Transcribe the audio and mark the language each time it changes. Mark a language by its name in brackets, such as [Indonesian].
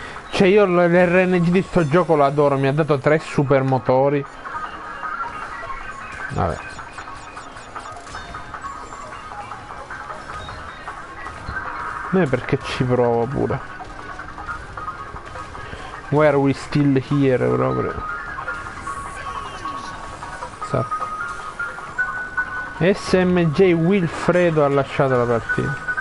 [Italian] Cioè io l'RNG di sto gioco lo adoro, mi ha dato 3 super motori. Vabbè. Non è perché ci provo pure. [English] Why are we still here proprio? [Italian] SMJ Wilfredo ha lasciato la partita.